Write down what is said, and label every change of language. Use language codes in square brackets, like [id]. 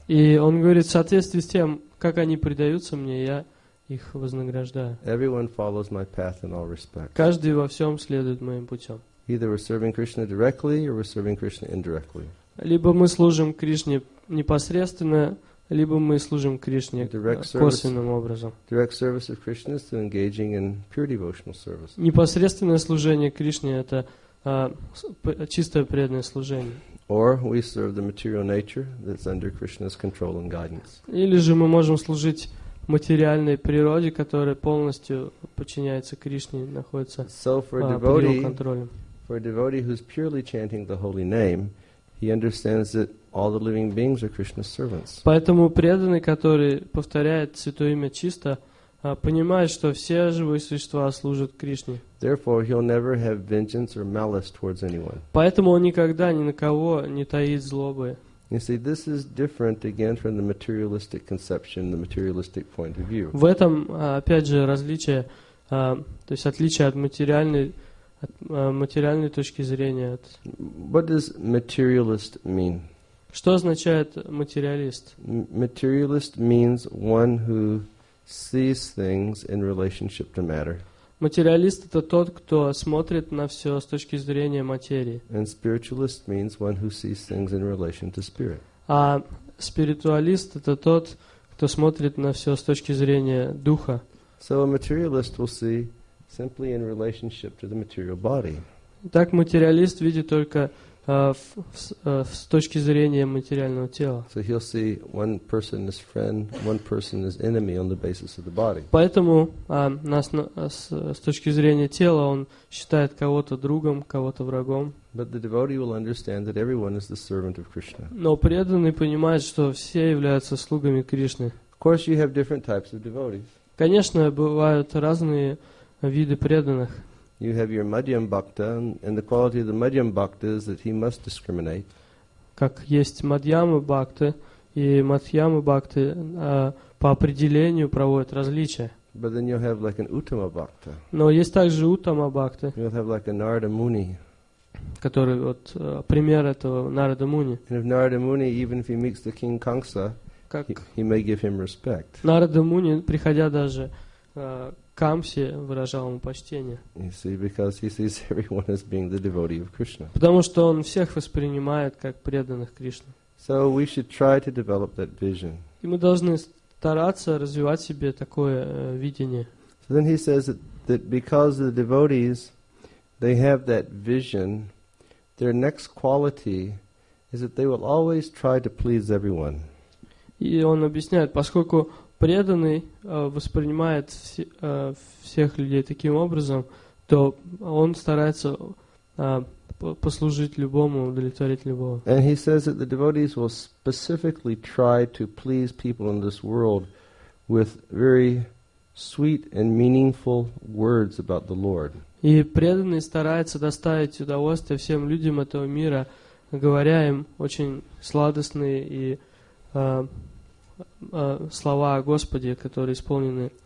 [ru] И он говорит, в соответствии с тем, как они предаются мне, я их вознаграждаю. [en] Everyone follows my path in all respects. [ru] Каждый во всем следует моим путем. [en] Either we're serving Krishna directly, or we're serving Krishna indirectly. [ru] Либо мы служим Кришне непосредственно, либо мы служим Кришне косвенным образом. [en] Direct service of Krishna is to engaging in pure devotional service. [ru] Непосредственное служение Кришне – это чистое преданное служение. [en] Or we serve the material nature that's under Krishna's control and guidance. [ru] Или же мы можем служить материальной природе, которая полностью подчиняется Кришне, находится под его контролем. [en] For a devotee who's purely chanting the holy name, he understands that all the living beings are Krishna's servants. [ru] Поэтому преданный, который повторяет святое имя чисто, понимает, что все живые существа служат Кришне. [en] Therefore, he'll never have vengeance or malice towards anyone. [ru] Поэтому он никогда ни на кого не таит злобы. [en] You see, this is different again from the materialistic conception, the materialistic point of view. [ru] В этом опять же различие, то есть отличие от материальной точки зрения. [en] What does materialist mean? [ru] Что означает материалист? [en] Materialist means one who sees things in relationship to matter. [ru] Материалист – это тот, кто смотрит на все с точки зрения материи. [en] And spiritualist means one who sees things in relation to spirit. [ru] А спиритуалист – это тот, кто смотрит на все с точки зрения духа. [en] So a materialist will see simply in relationship to the material body. [ru] Так материалист видит только с точки зрения материального тела. [en] So he'll see one person as friend, one person as enemy on the basis of the body. [ru] Поэтому с точки зрения тела он считает кого-то другом, кого-то врагом. [en] But the devotee will understand that everyone is the servant of Krishna. [ru] Но преданный понимает, что все являются слугами Кришны. [en] Of course, you have different types of devotees. [ru] Конечно, бывают разные виды преданных. [en] You have your Madhyam Bhakta, and the quality of the Madhyam Bhakta is that he must discriminate. [ru] Как есть Мадьяма Бхакта, и Мадьяма Бхакта по определению проводят различия. [en] But then you'll have like an Uttama Bhakta. [ru] Но есть также Uttama Bhakta. [en] You'll have like a Narada Muni. [ru] Который вот пример этого Нарада Муни. [en] And if Narada Muni, even if he meets the King Kamsa, he may give him respect. [ru] Нарада Муни, приходя даже Камсе, выражал ему почтение. [en] You see, because he sees everyone as being the devotee of Krishna. [ru] Потому что он всех воспринимает как преданных Кришне. [en] So we should try to develop that vision. [ru] И мы должны стараться развивать себе такое видение. [en] So then he says that because the devotees, they have that vision, their next quality is that they will always try to please everyone. [ru] И он объясняет, поскольку преданный воспринимает всех людей таким образом, то он старается послужить любому, удовлетворить любого. [en] And he says that the devotees will specifically try to please people in this world with very sweet and meaningful words about the Lord. [ru] И преданный старается доставить удовольствие всем людям этого мира, говоря им очень сладостные и слова о Господе, которые исполнены.